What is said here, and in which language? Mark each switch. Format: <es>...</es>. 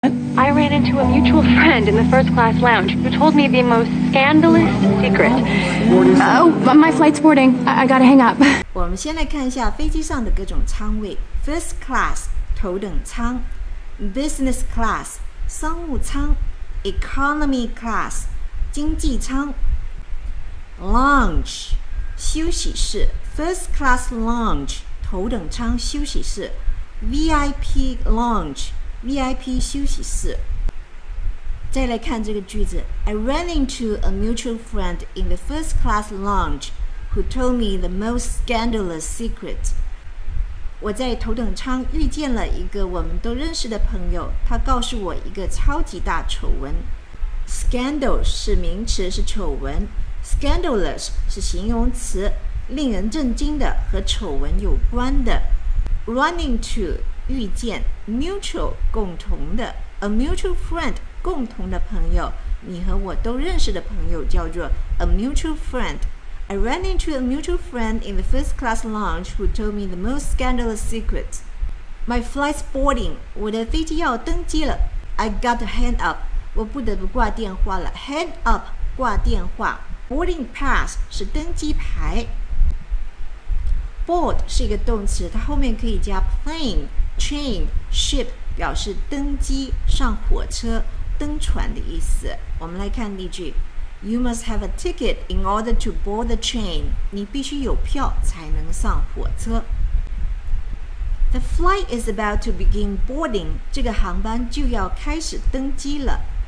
<en>I ran into a mutual friend in the first class lounge who told me the most scandalous secret. Oh, my flight's boarding. I gotta hang up.</en> <zh>我们先来看一下飞机上的各种舱位。</zh> <en>First class,</en> <zh>头等舱。</zh> <en>Business class,</en> <zh>商务舱。</zh> <en>Economy class,</en> <zh>经济舱。</zh> <en>Lounge,</en> <zh>休息室。</zh> <en>First class lounge,</en> <zh>头等舱休息室。</zh> <en>VIP lounge,VIP</en> <zh>休息室。再来看这个句子，</zh> <en>I ran into a mutual friend in the first class lounge who told me the most scandalous secret.</en> <zh>我在头等舱遇见了一个我们都认识的朋友，他告诉我一个超级大丑闻。 Scandal 是名词，是丑闻。Scandalous 是形容词，令人震惊的，和丑闻有关的。 Run into遇见 ，mutual 共同的 ，</zh> <en>a mutual friend</en> <zh>共同的朋友，你和我都认识的朋友叫做 a mutual friend。</zh> <en>I ran into a mutual friend in the first class lounge who told me the most scandalous secret. My flight's boarding，</en> <zh>我的飞机要登机了。</zh> <en>I got to hang up，</en> <zh>我不得不挂电话了。 Hang up， 挂电话。Boarding pass 是登机牌。 Board 是一个动词，它后面可以加 plane。Train, ship 表示登机、上火车、登船的意思。我们来看例句</zh> <en>：You must have a ticket in order to board the train.</en> <zh>你必须有票才能上火车。</zh> <en>The flight is about to begin boarding.</en> <zh>这个航班就要开始登机了。</zh>